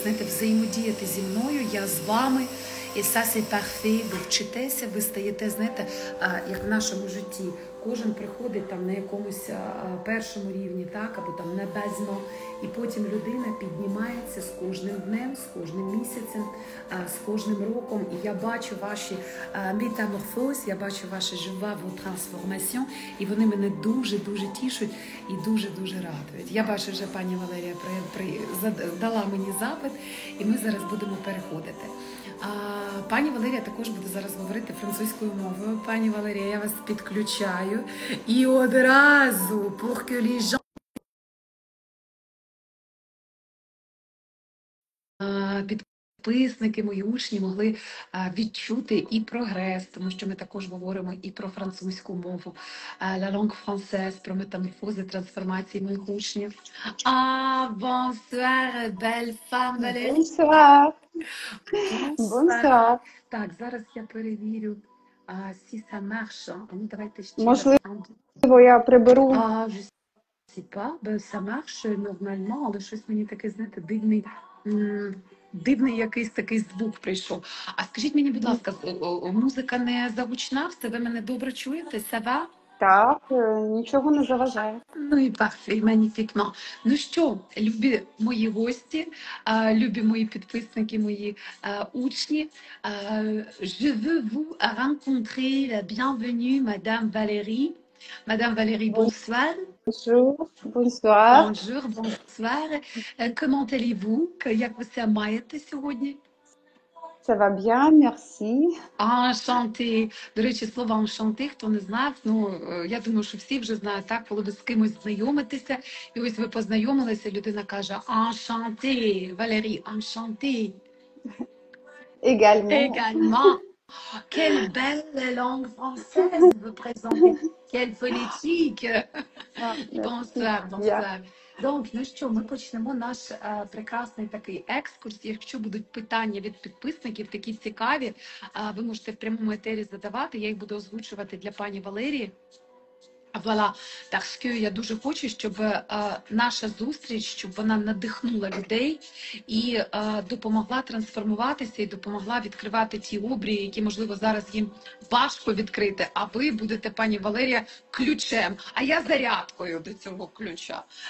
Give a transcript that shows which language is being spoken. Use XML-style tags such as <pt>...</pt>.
<uk>взаємодіяти зі мною, я з вами, і</uk> <fr>ça c'est parfait,</fr> <uk>ви вчитеся, ви стаєте, як в нашому житті, кожен приходить там на якомусь першому рівні, так, або там на безно, і потім людина піднімається з кожним днем, з кожним місяцем, з кожним роком, і я бачу ваші метаморфози, я бачу ваші жваві трансформації, і вони мене дуже-дуже тішують і дуже-дуже радують. Я бачу, вже пані Валерія дала мені запит, і ми зараз будемо переходити. Пані Валерія також буде зараз говорити французькою мовою. Пані Валерія, я вас підключаю.</uk> <fr>І одразу, pour que les gens...</fr> <uk>підписники, мої учні могли відчути і прогрес, тому що ми також говоримо і про французьку мову,</uk> <fr>la langue française,</fr> <uk>про метаморфози, трансформації моїх учнів.</uk> <fr>А, bonsoir, belle femme, Valérie. Bonsoir.</fr> <uk>Так, зараз я перевірю,</uk> <fr>si ça marche.</fr> <uk>Ну, давайте ще. Можливо, я приберу.</uk> <fr>Je sais pas, ben, ça marche normalement,</fr> <uk>але щось мені таке, дивний. Дивний якийсь такий звук прийшов. А скажіть мені, будь ласка, музика не загучна? Все, ви мене добре чуєте? Сава? Так, нічого не заважає. Ну і парфей, маніфікно. Ну що, любі мої гості, любі мої підписники, мої учні,</uk> <fr>je veux vous rencontrer, la bienvenue, madame Valérie. Madame Valérie, bonsoir. Bonjour, bonsoir. Comment allez-vous?</fr> <uk>Як ви себе маєте сьогодні?</uk> <fr>Ça va bien, merci. Enchanté.</fr> <uk>До речі, слово «enchanté», хто не знав, я думаю, що всі вже знають, так, коли ви з кимось знайомитеся, і ось ви познайомилися, людина каже «enchanté», Валерій, «enchanté».</uk> <fr>Également. Quelle belle langue française vous présentez. Quelle politique. Bonsoir, bonsoir.</fr> <uk>Donc, ну що, ми почнемо наш прекрасний такий екскурс. Якщо будуть питання від підписників, такі цікаві, ви можете в прямому етері задавати, я їх буду озвучувати для пані Валерії.</uk> <fr>Voilà.</fr> <uk>Так що я дуже хочу, щоб наша зустріч, щоб вона надихнула людей і допомогла трансформуватися і допомогла відкривати ті обрії, які, можливо, зараз їм важко відкрити, а ви будете, пані Валерія, ключем, а я зарядкою до цього ключа.</uk>